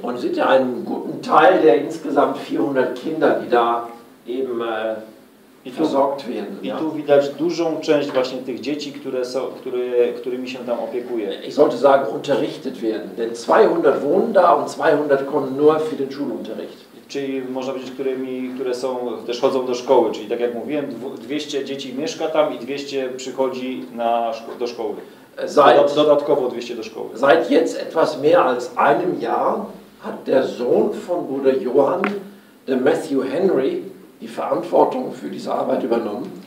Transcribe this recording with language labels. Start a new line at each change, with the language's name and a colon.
German: Und seht ihr einen guten Teil der insgesamt 400 Kinder, die da eben versorgt werden.
Polish: I tu widać dużą część właśnie tych dzieci, które są, którymi się tam opiekuje.
German: Ich sollte sagen, unterrichtet werden, denn 200 wohnen da und 200 kommen nur für den Schulunterricht.
Polish: Czyli można powiedzieć, które są, też chodzą do szkoły, czyli tak jak mówiłem, 200 dzieci mieszka tam i 200 przychodzi na do szkoły. Dodatkowo 200 do szkoły.
German: Seit jetzt etwas mehr als einem Jahr hat der Sohn von Bruder Johann, der Matthew Henry, die Verantwortung für diese Arbeit übernommen.